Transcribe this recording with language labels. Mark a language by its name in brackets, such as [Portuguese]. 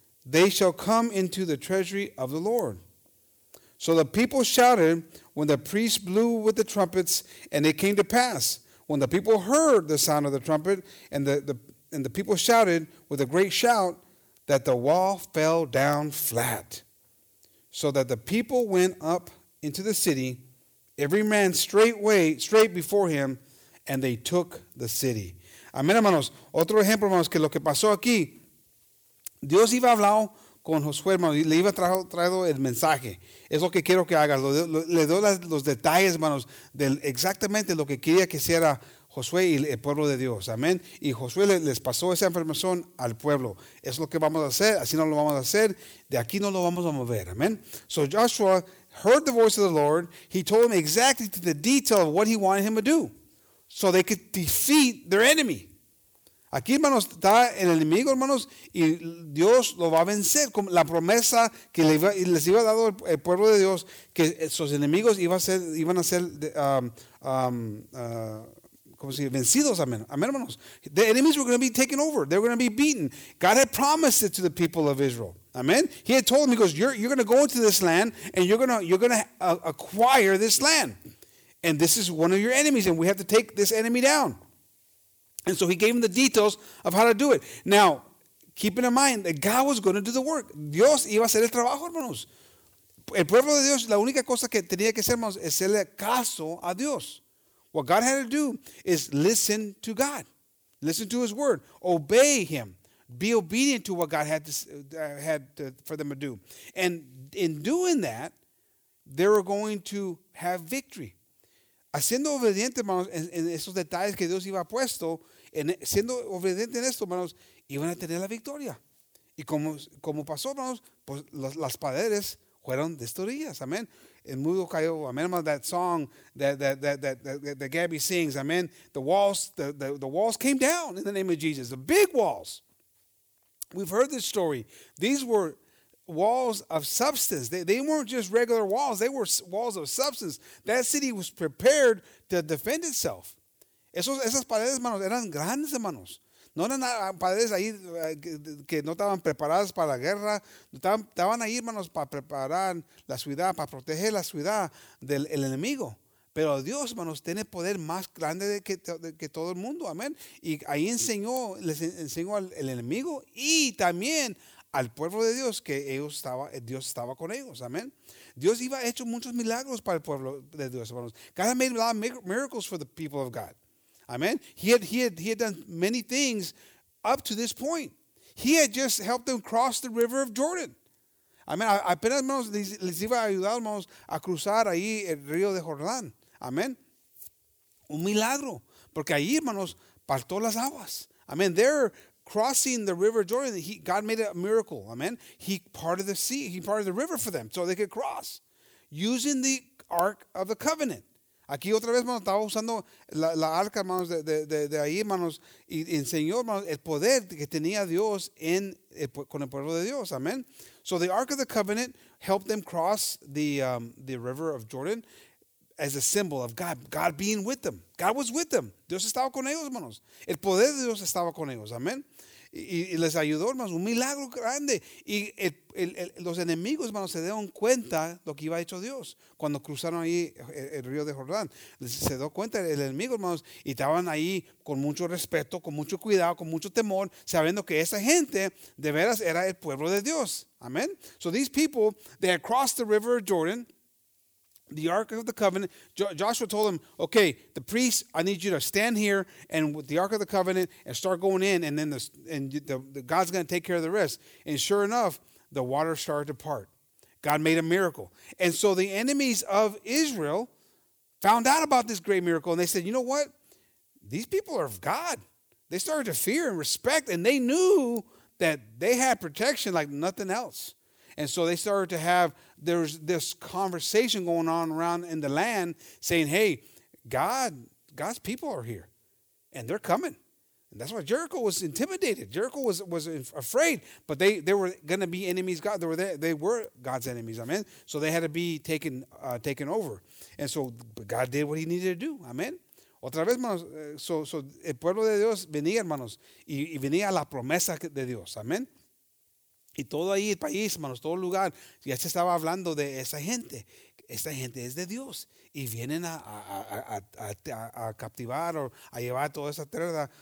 [English] They shall come into the treasury of the Lord. So the people shouted when the priests blew with the trumpets, and it came to pass when the people heard the sound of the trumpet and the people shouted with a great shout that the wall fell down flat, so that the people went up into the city, every man straight before him, and they took the city. [Spanish] Amén, hermanos. Otro ejemplo, hermanos, que lo que pasó aquí, Dios iba a hablar con Josué, hermanos, y le iba a traer el mensaje. Es lo que quiero que hagas. Le doy los detalles, hermanos, de exactamente lo que quería que hiciera Josué y el pueblo de Dios, amén. Y Josué les pasó esa información al pueblo. Es lo que vamos a hacer, así no lo vamos a hacer. De aquí no lo vamos a mover, amén. [English] So Joshua heard the voice of the Lord. He told him exactly to the detail of what he wanted him to do, so they could defeat their enemy. [Spanish] Aquí, hermanos, está el enemigo, hermanos, y Dios lo va a vencer con la promesa que les iba a dar el pueblo de Dios, que sus enemigos iban a ser vencidos. Amén, hermanos. [English] The enemies were going to be taken over. They were going to be beaten. God had promised it to the people of Israel. Amen. He had told them, he goes, you're going to go into this land and you're going to acquire this land. And this is one of your enemies and we have to take this enemy down. And so he gave him the details of how to do it. Now, keeping in mind that God was going to do the work. [Spanish] Dios iba a hacer el trabajo, hermanos. El pueblo de Dios, la única cosa que tenía que hacer, hermanos, es hacerle caso a Dios. [English] What God had to do is listen to God. Listen to his word. Obey him. Be obedient to what God had to, for them to do. And in doing that, they were going to have victory. [Spanish] Haciendo obediente, hermanos, en esos detalles que Dios iba puesto, siendo obediente en esto, hermanos, iban a tener la victoria. Y como pasó, hermanos, pues las paredes fueron destruidas. Amén. El mundo cayó. Amén, hermanos, [English] that song that Gabby sings. [Spanish] Amén. [English] The walls came down in the name of Jesus. The big walls. We've heard this story. These were walls of substance. They weren't just regular walls. They were walls of substance. That city was prepared to defend itself. [Spanish] Esas paredes, hermanos, eran grandes, hermanos. No eran paredes ahí que no estaban preparadas para la guerra. Estaban ahí, hermanos, para preparar la ciudad, para proteger la ciudad del el enemigo. Pero Dios, hermanos, tiene poder más grande que todo el mundo. Amén. Y ahí les enseñó al enemigo y también al pueblo de Dios que Dios estaba con ellos. Amén. Dios iba a hacer muchos milagros para el pueblo de Dios, hermanos. [English] God had made a lot of miracles for the people of God. Amén. He had done many things up to this point. He had just helped them cross the river of Jordan. [Spanish] Amén. Apenas, hermanos, les iba a ayudar, hermanos, a cruzar ahí el río de Jordán. Amén. Un milagro. Porque ahí, hermanos, partió las aguas. Amén. [English] They're crossing the river Jordan. God made a miracle. Amén. He parted the sea. He parted the river for them so they could cross using the Ark of the Covenant. [Spanish] Aquí otra vez, hermanos, estaba usando la arca, hermanos, de ahí, hermanos, y enseñó, hermanos, el poder que tenía Dios con el pueblo de Dios. Amén. [English] So the Ark of the Covenant helped them cross the river of Jordan as a symbol of God being with them. God was with them. [Spanish] Dios estaba con ellos, hermanos. El poder de Dios estaba con ellos. Amén. Y les ayudó, hermanos. Un milagro grande. Y los enemigos, hermanos, se dieron cuenta lo que iba a hecho Dios. Cuando cruzaron ahí el río de Jordán, se dio cuenta el enemigo, hermanos. Y estaban ahí con mucho respeto, con mucho cuidado, con mucho temor, sabiendo que esa gente de veras era el pueblo de Dios. Amén. [English] So these people, they had crossed the river Jordan, the Ark of the Covenant. Joshua told him, okay, the priests, I need you to stand here and with the Ark of the Covenant and start going in, and then the God's going to take care of the rest. And sure enough, the water started to part. God made a miracle. And so the enemies of Israel found out about this great miracle, and they said, you know what? These people are of God. They started to fear and respect, and they knew that they had protection like nothing else. And so they started to have, there's this conversation going on around in the land saying, hey, God's people are here and they're coming. And that's why Jericho was intimidated. Jericho was afraid, but they were going to be enemies. God, they were God's enemies. Amen. So they had to be taken over. And so God did what he needed to do. Amen. [Spanish] Otra vez, hermanos, so el pueblo de Dios venía, hermanos, y venía la promesa de Dios. Amen. Y todo ahí, el país, hermanos, todo el lugar, ya se estaba hablando de esa gente. Esta gente es de Dios. Y vienen a captivar o a llevar toda esa tierra.